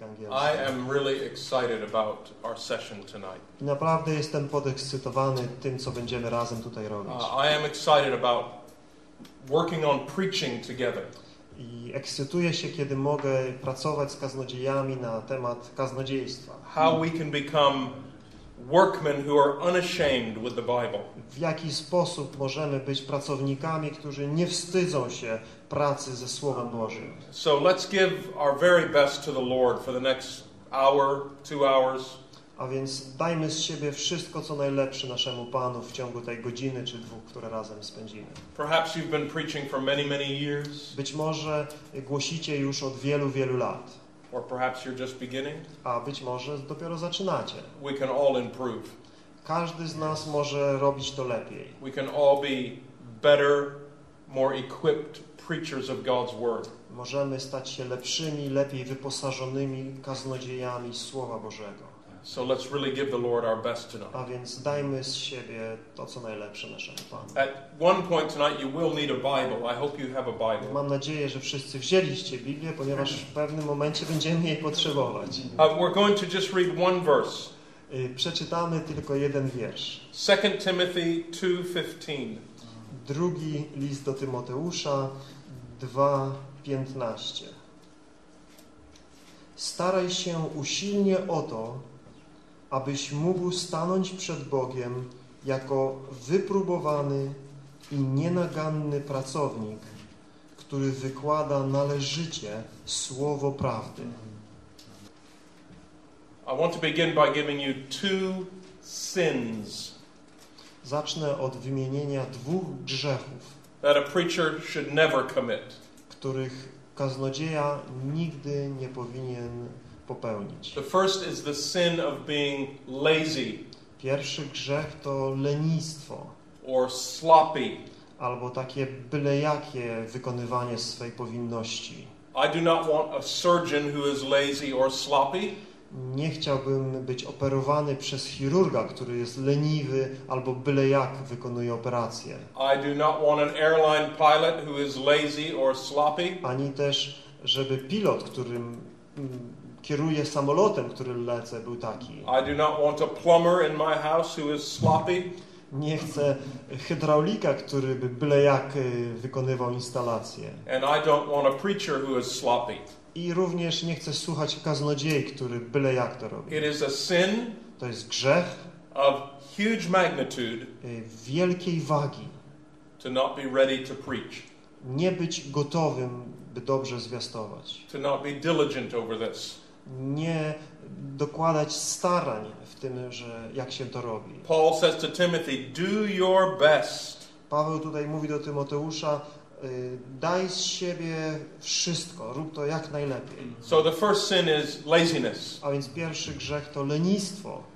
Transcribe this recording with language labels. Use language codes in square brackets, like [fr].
[en] I am really excited about our session tonight. [pl] Naprawdę jestem podekscytowany tym, co będziemy razem tutaj robić. [en] I am excited about working on preaching together. [pl] I ekscytuję się, kiedy mogę pracować z kaznodziejami na temat kaznodziejstwa. [en] How we can become workmen who are unashamed with the Bible. [pl] W jaki sposób możemy być pracownikami, którzy nie wstydzą się pracy ze Słowem Bożym. [en] So let's give our very best to the Lord for the next hour, 2 hours. [pl] A więc dajmy z siebie wszystko, co najlepsze naszemu Panu w ciągu tej godziny czy dwóch, które razem spędzimy. [en] Perhaps you've been preaching for many, many years. [pl] Być może głosicie już od wielu, wielu lat. [en] Or perhaps you're just beginning. [pl] A być może dopiero zaczynacie. [en] We can all improve. [pl] Każdy z nas może robić to lepiej. [en] We can all be better, more equipped preachers of God's word. [pl] Możemy stać się lepszymi, lepiej wyposażonymi kaznodziejami Słowa Bożego. [en] So let's really give the Lord our best tonight. [pl] A więc dajmy z siebie to, co najlepsze naszemu Panu. [en] At one point tonight you will need a Bible. I hope you have a Bible. [pl] Mam nadzieję, że wszyscy wzięliście Biblię, ponieważ w pewnym momencie będziemy jej potrzebować. [en] We're going to just read one verse. [pl] Przeczytamy tylko jeden wiersz. [en] 2 Timothy 2:15. [pl] Drugi list do Tymoteusza 2:15. Staraj się usilnie o to, abyś mógł stanąć przed Bogiem jako wypróbowany i nienaganny pracownik, który wykłada należycie słowo prawdy. [en] I want to begin by giving you two sins. [pl] Zacznę od wymienienia dwóch grzechów, [en] that a preacher should never commit, [pl] których kaznodzieja nigdy nie powinien popełnić. [en] The first is the sin of being lazy. [pl] Pierwszy grzech to lenistwo. [en] Or sloppy. [pl] Albo takie byle jakie wykonywanie swej powinności. [en] I do not want a surgeon who is lazy or sloppy. [pl] Nie chciałbym być operowany przez chirurga, który jest leniwy albo byle jak wykonuje operację. [en] I do not want an airline pilot who is lazy or sloppy. [pl] Ani też, żeby pilot, którym kieruje samolotem, który lecę, był taki. [en] I do not want a plumber in my house who is sloppy. [pl] Nie chcę hydraulika, który by byle jak wykonywał instalację. [en] And I don't want a preacher who is sloppy. [pl] I również nie chcę słuchać kaznodziei, który byle jak to robi. [en] It is a sin. [pl] To jest grzech [en] of huge magnitude. [pl] Wielkiej wagi. [en] To not be ready to preach. [pl] Nie być gotowym, by dobrze zwiastować. [en] To not be diligent over this. [pl] Nie dokładać starań w tym, że jak się to robi. [en] Paul says to Timothy, do your best. [pl] Paweł tutaj mówi do Tymoteusza, daj z siebie wszystko, rób to jak najlepiej. [en] So the first sin is laziness. [pl] A więc pierwszy grzech to lenistwo.